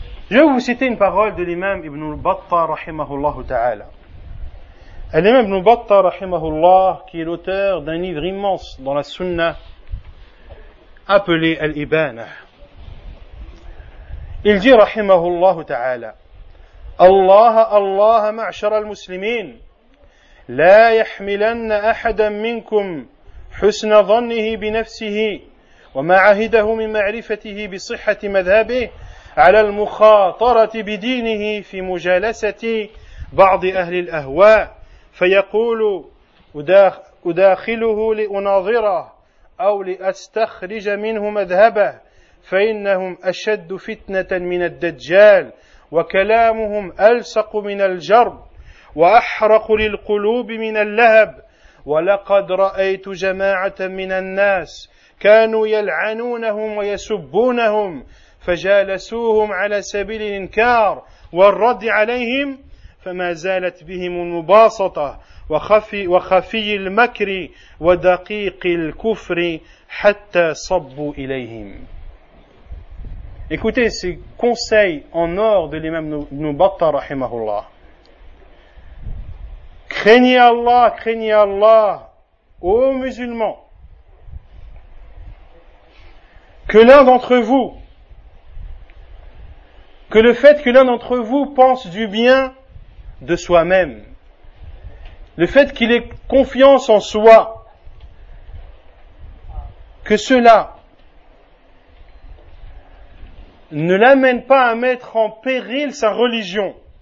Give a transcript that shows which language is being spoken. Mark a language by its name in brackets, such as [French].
[French] Je vais vous citer une parole de l'imam Ibn al-Battah rahimahullah ta'ala. L'imam Ibn al-Battah rahimahullah, qui est l'auteur d'un livre immense dans la Sunna appelé Al-Ibana. Il dit [Arabic] rahimahullah ta'ala: Allah, Allah, ma'ashara al-muslimin, la yahmilanna ahadan minkum husna dhannihi bi nafsihi wa ma'ahidahu min ma'rifatihi bi sihhati madhhabihi على المخاطرة بدينه في مجالسة بعض أهل الأهواء فيقول أداخله لأناظره أو لأستخرج منه مذهبه فإنهم أشد فتنة من الدجال وكلامهم ألصق من الجرب وأحرق للقلوب من اللهب ولقد رأيت جماعة من الناس كانوا يلعنونهم ويسبونهم فجالسوهم على سبيل الإنكار والرد عليهم فما زالت بهم المباسطة وخفي المكر ودقيق الكفر حتى صبوا إليهم. [French] Écoutez ces conseils en or de l'imam Ibn al-Battah rahimahullah. Craignez Allah, craignez Allah, ô musulmans, que l'un d'entre vous, que le fait que l'un d'entre vous pense du bien de soi-même, le fait qu'il ait confiance en soi, que cela ne l'amène pas à mettre en péril sa religion.